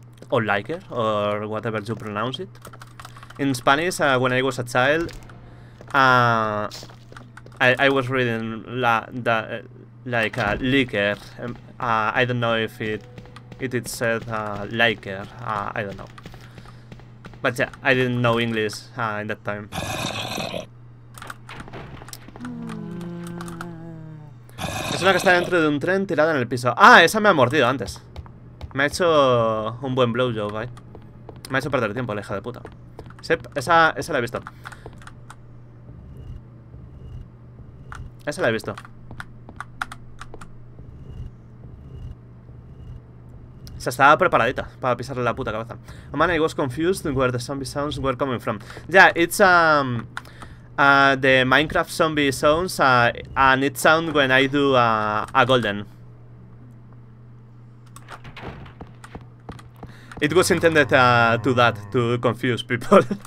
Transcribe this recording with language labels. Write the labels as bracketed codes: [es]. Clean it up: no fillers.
[en] Or Liker, or whatever you pronounce it. In Spanish, when I was a child, I was reading liquor. I don't know if it said liquor. I don't know. But yeah, I didn't know English in that time. [es] Es una que está dentro de un tren tirada en el piso. Ah, esa me ha mordido antes. Me ha hecho un buen blowjob, ¿eh? Me ha hecho perder tiempo, la hija de puta. Esa la he visto. Esa la he visto. Se estaba preparadita para pisarle la puta cabeza. [en] Oh man, I was confused where the zombie sounds were coming from. Yeah, it's the Minecraft zombie sounds and it sound when I do a golden. It was intended to that, to confuse people.